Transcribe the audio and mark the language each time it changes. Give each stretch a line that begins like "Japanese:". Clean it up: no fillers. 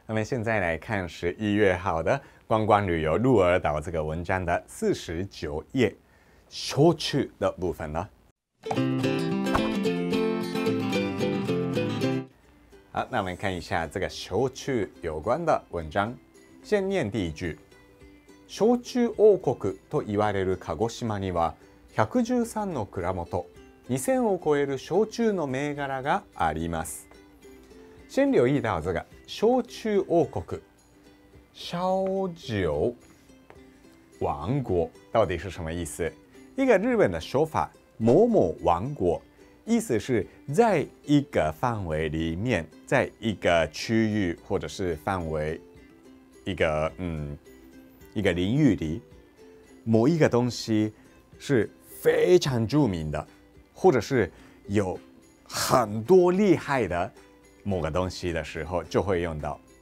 Chinese: 那么现在来看11月号的观光旅游鹿儿岛这个文章的49页，出去的部分了。好，那我们看一下这个出去有关的文章。先念第一句：
Japanese: 焼酎王国と言われる鹿児島には113の蔵元、2000を超える焼酎の銘柄があります。
Chinese: 先留意到这个焼酎王国，烧酒王国到底是什么意思？一个日本的说法，某某王国，意思是在一个范围里面，在一个区域或者是范围，一个领域里，某一个东西是非常著名的，或者是有很多厉害的某个东西的时候就会用到。